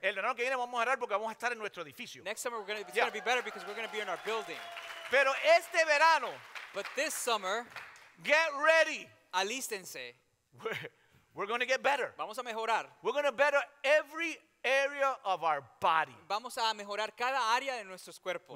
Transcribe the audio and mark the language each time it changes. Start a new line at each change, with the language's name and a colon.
Spanish: El verano que viene vamos a mejorar porque vamos a estar en nuestro edificio.
English: Next summer we're going to it's going to be better because we're going to be in our building.
Spanish: Pero este verano,
English: but this summer, get ready.
Spanish: Alístense.
English: We're going to get better.
Spanish: Vamos a mejorar.
English: We're going to better every area of our body.
Spanish: Vamos a mejorar cada área de nuestros cuerpos.